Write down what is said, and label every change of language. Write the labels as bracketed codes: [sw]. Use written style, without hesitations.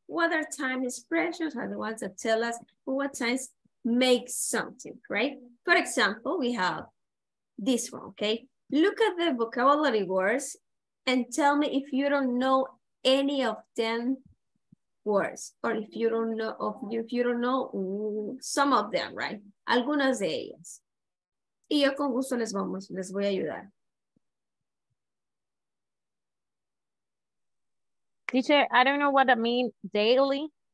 [en] What are time expressions? Are the ones that tell us what times make something, right? For example, we have this one, okay? Look at the vocabulary words and tell me if you don't know any of them words or if you don't know some of them, right? [es] Algunas de ellas. Y yo con gusto les voy a ayudar. [en] Teacher, I don't know what I mean, daily.